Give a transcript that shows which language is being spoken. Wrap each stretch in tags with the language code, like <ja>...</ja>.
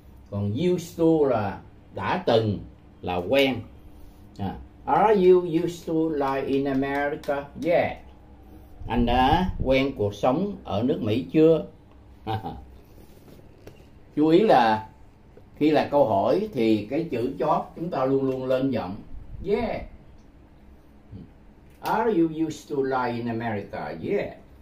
<vi>Còn used to là đã từng, là quen.</vi> <en>Are you used to life in America yet?</en> <vi>Anh đã quen cuộc sống ở nước Mỹ chưa? Chú ý là khi là câu hỏi thì cái chữ chót chúng ta luôn luôn lên giọng.</vi> <en>Yeah. Are you used to life in America? Yeah.</en>